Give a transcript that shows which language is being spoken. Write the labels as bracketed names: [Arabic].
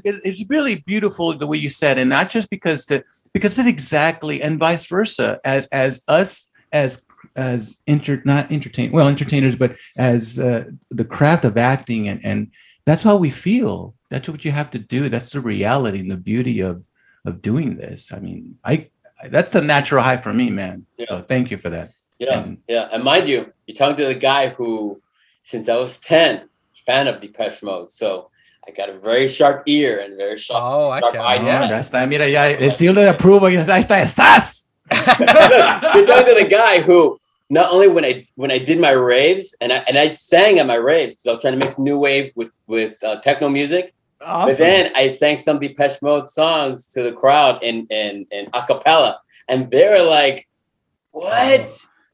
[English] It's really beautiful the way you said, and not just because it's exactly, and vice versa, entertainers, but as the craft of acting, and that's how we feel. That's what you have to do. That's the reality and the beauty of doing this. I mean, I that's the natural high for me, man. Yeah. So thank you for that. And mind you, you're talking to the guy who, since I was 10, fan of Depeche Mode. So I got a very sharp ear and very sharp eye. Oh, that's that. [Spanish] Mira, ya, el signo de approval. Ahí está, estás. [English] You're talking to the guy who not only when I did my raves and I sang at my raves because I was trying to mix new wave with techno music. Awesome. But then I sang some Depeche Mode songs to the crowd in a cappella, and they're like, "What?" Wow.